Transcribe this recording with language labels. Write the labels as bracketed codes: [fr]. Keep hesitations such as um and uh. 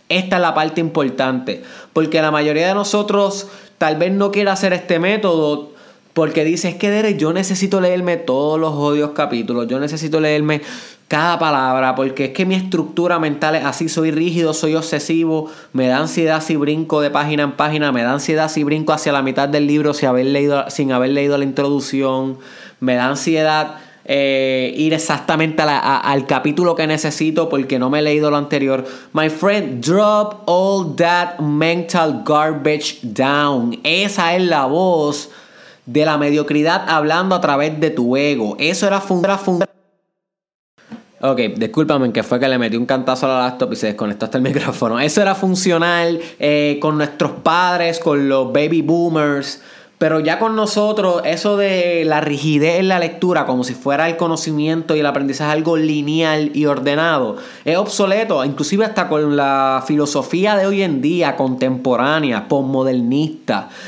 [es] Esta es la parte importante, porque la mayoría de nosotros tal vez no quiera hacer este método, porque dices que Derek, yo necesito leerme todos los odios capítulos, yo necesito leerme cada palabra, porque es que mi estructura mental es así, soy rígido, soy obsesivo, me da ansiedad si brinco de página en página, me da ansiedad si brinco hacia la mitad del libro sin haber leído, sin haber leído la introducción, me da ansiedad eh, ir exactamente a la- a- al capítulo que necesito porque no me he leído lo anterior. [en] My friend, drop all that mental garbage down. [es] Esa es la voz de la mediocridad hablando a través de tu ego. Eso era fun- era fun- Ok, discúlpame que fue que le metí un cantazo a la laptop y se desconectó hasta el micrófono. Eso era funcional eh, con nuestros padres, con los baby boomers, pero ya con nosotros, eso de la rigidez en la lectura, como si fuera el conocimiento y el aprendizaje algo lineal y ordenado, es obsoleto, inclusive hasta con la filosofía de hoy en día, contemporánea, postmodernista.